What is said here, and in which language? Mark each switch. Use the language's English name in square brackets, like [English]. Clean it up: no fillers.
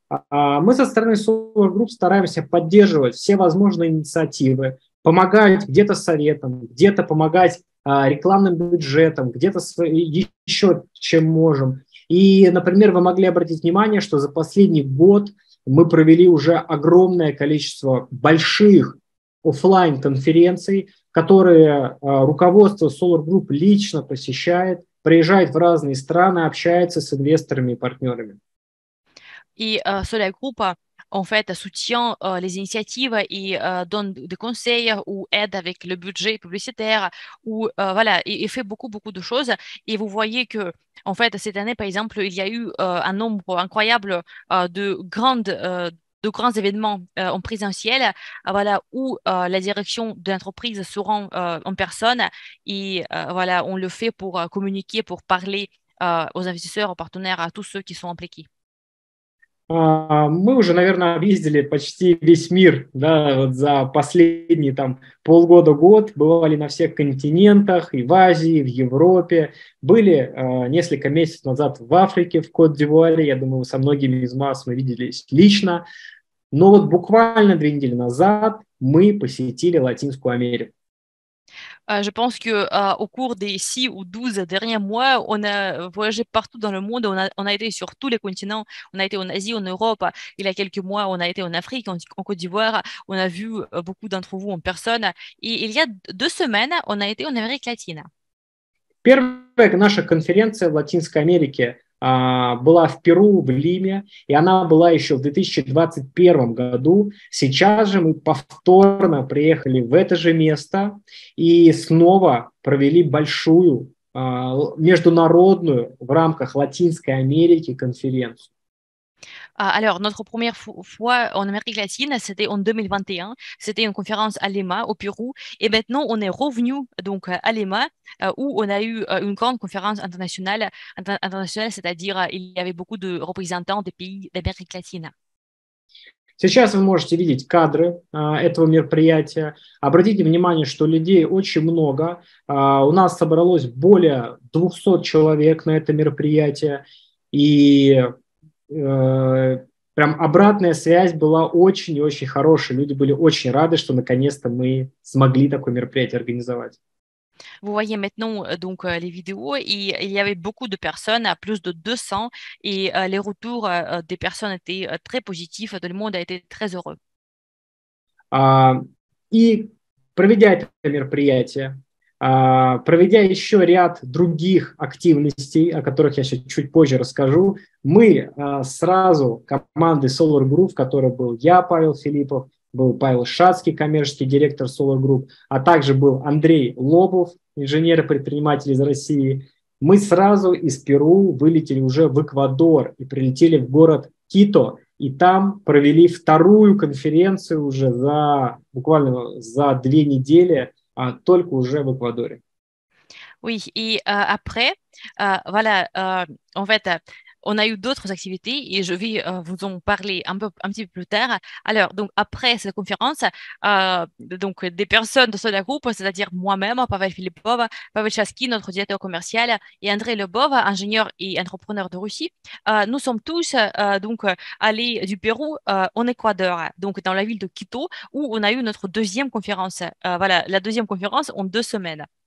[Russian] Мы со стороны Solar Group стараемся поддерживать все возможные инициативы, помогать где-то советом, где-то помогать рекламным бюджетом, где-то еще чем можем. И, например, вы могли обратить внимание, что за последний год мы провели уже огромное количество больших офлайн-конференций, которые руководство Solar Group лично посещает, приезжает в разные страны, общается с инвесторами и партнерами. [French] И Solar Group en fait, soutient les initiatives et donne des conseils ou aide avec le budget publicitaire ou voilà, et fait beaucoup, beaucoup de choses. Et vous voyez que, en fait, cette année, par exemple, il y a eu un nombre incroyable de grands événements en présentiel, voilà, où la direction de l'entreprise se rend en personne et voilà, on le fait pour communiquer, pour parler aux investisseurs, aux partenaires, à tous ceux qui sont impliqués. [Russian] Мы уже, наверное, объездили почти весь мир, да, вот за последние там полгода-год, бывали на всех континентах, и в Азии, и в Европе, были несколько месяцев назад в Африке, в Кот-д'Ивуаре, я думаю, со многими из вас мы виделись лично, но вот буквально 2 недели назад мы посетили Латинскую Америку. [French] Je pense que au cours des 6 ou 12 derniers mois, on a voyagé partout dans le monde, on a été sur tous les continents, on a été en Asie, en Europe, il y a quelques mois, on a été en Afrique, en Côte d'Ivoire, on a vu beaucoup d'entre vous en personne, et il y a 2 semaines, on a été en Amérique latine. [Russian] Первая наша конференция в Латинской Америке была в Перу, в Лиме, и она была еще в 2021 году. Сейчас же мы повторно приехали в это же место и снова провели большую международную в рамках Латинской Америки конференцию. [French] Alors, notre première fois en Amérique latine, c'était en 2021. C'était une conférence à Lima, au Pérou. Et maintenant, on est revenu donc, à Lima, où on a eu une grande conférence internationale, internationale, c'est-à-dire il y avait beaucoup de représentants des pays d'Amérique latine. [Russian] Сейчас вы можете видеть кадры этого мероприятия. Обратите внимание, что людей очень много. У нас собралось более 200 человек на это мероприятие. И прям обратная связь была очень и очень хорошая. Люди были очень рады, что наконец-то мы смогли такое мероприятие организовать. [French] Vous voyez maintenant donc les vidéos et il y avait beaucoup de personnes, plus de 200, et les retours des personnes étaient très positifs. Tout le monde a été très heureux. [Russian] И проведя это мероприятие, проведя еще ряд других активностей, о которых я сейчас чуть позже расскажу, мы сразу команды Solar Group, в которой был я, Павел Филиппов, был Павел Шацкий, коммерческий директор Solar Group, а также был Андрей Лобов, инженер и предприниматель из России, мы сразу из Перу вылетели уже в Эквадор и прилетели в город Кито, и там провели 2-ю конференцию уже за буквально за 2 недели, а только уже в Эквадоре. [French] Oui, et après, voilà, en fait, on a eu d'autres activités et je vais vous en parler un petit peu plus tard. Alors, donc, après cette conférence, donc, des personnes de Soda Group, c'est-à-dire moi-même, Pavel Filipov, Pavel Chaskin, notre directeur commercial, et André Lebov, ingénieur et entrepreneur de Russie, nous sommes tous donc, allés du Pérou en Équateur, donc dans la ville de Quito, où on a eu notre deuxième conférence, voilà, la deuxième conférence en 2 semaines.